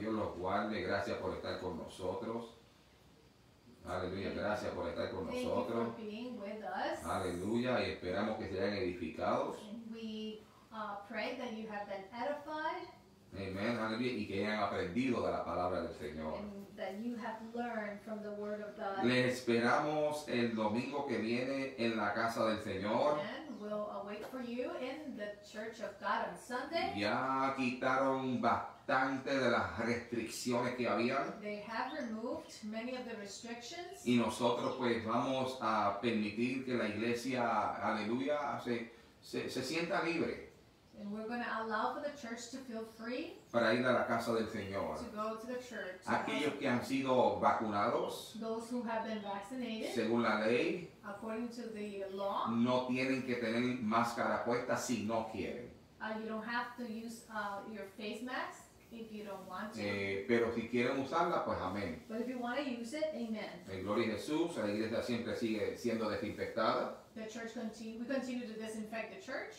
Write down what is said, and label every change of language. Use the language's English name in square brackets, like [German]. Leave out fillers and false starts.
[Spanish] Dios los guarde, gracias por estar con nosotros. Aleluya, gracias por estar con nosotros. [English] Thank you for being with us. [Spanish] Aleluya, y esperamos que sean edificados. [English] We pray that you have been edified. [Spanish] Amen, aleluya, y que hayan aprendido de la palabra del Señor. [English] And that you have learned from the word of God. [Spanish] Les esperamos el domingo que viene en la casa del Señor. Amen. [English] We'll await for you in the church of God on Sunday. [Spanish] Ya quitaron bastante de las restricciones que habían. [English] They have removed many of the restrictions. [Spanish] Y nosotros pues vamos a permitir que la iglesia, aleluya, se sienta libre. [English] And we're going to allow for the church to feel free. [Spanish] Para ir a la casa del Señor. [English] To go to the church. [Spanish] Aquellos que han sido vacunados. [English] Those who have been vaccinated. [Spanish] Según la ley. [English] According to the law. [Spanish] No tienen que tener máscara puesta si no quieren. [English] You don't have to use your face mask. If you don't want to. [Spanish] Pero si quieren usarla, pues amén. [English] But if you want to use it, amen. [Spanish] En gloria a Jesús, la iglesia siempre sigue siendo desinfectada. [English] The church we continue to disinfect the church.